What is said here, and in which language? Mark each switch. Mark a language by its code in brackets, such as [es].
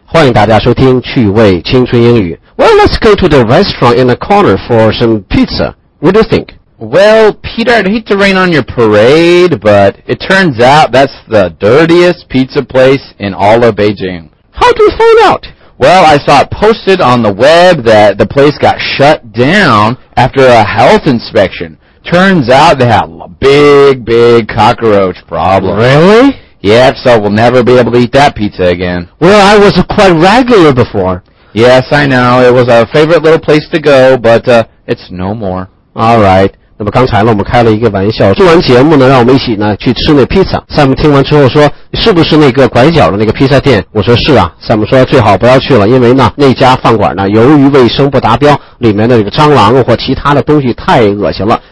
[zh] 欢迎大家收听趣味青春英语。 [en] Well, let's go to the restaurant in the corner for some pizza. What do you think? Well, Peter, I'd hate to rain on your parade, but it turns out that's the dirtiest pizza place in all of Beijing. How do you find out? Well, I saw it posted on the web that the place got shut down after a health inspection. Turns out they have a big, big cockroach problem. Really? Yep, so we'll never be able to eat that pizza again. Well, I was quite regular before. Yes, I know. It was our favorite little place to go, but it's no more. All right. [zh] 那么刚才呢，我们开了一个玩笑。听完节目呢，让我们一起呢去吃那披萨。 Sam 听完之后说，是不是那个拐角的那个披萨店？我说是啊。 Sam 说最好不要去了，因为呢那家饭馆呢，由于卫生不达标，里面的这个蟑螂或其他的东西太恶心了。